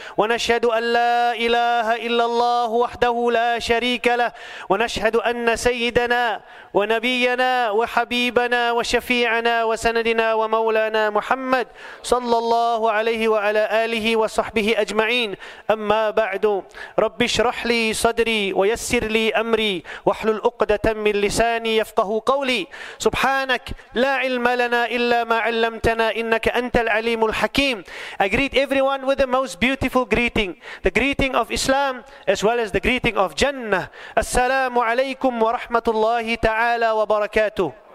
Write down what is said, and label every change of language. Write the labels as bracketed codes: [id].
[ar] ونشهد أن لا إله إلا الله وحده لا شريك له، ونشهد أن سيدنا ونبينا وحبيبنا وشفيعنا وسندنا ومولانا محمد صلى الله عليه وعلى آله وصحبه أجمعين. أما بعد، رب اشرح لي صدري ويسر لي أمري واحلل عقدة من لساني يفقه قولي. سبحانك لا علم لنا إلا ما علمتنا إنك أنت العليم الحكيم. [en] I greet everyone with the most beautiful greeting, the greeting of Islam as well as the greeting of Jannah. [ar] السلام عليكم ورحمة الله تعالى وبركاته.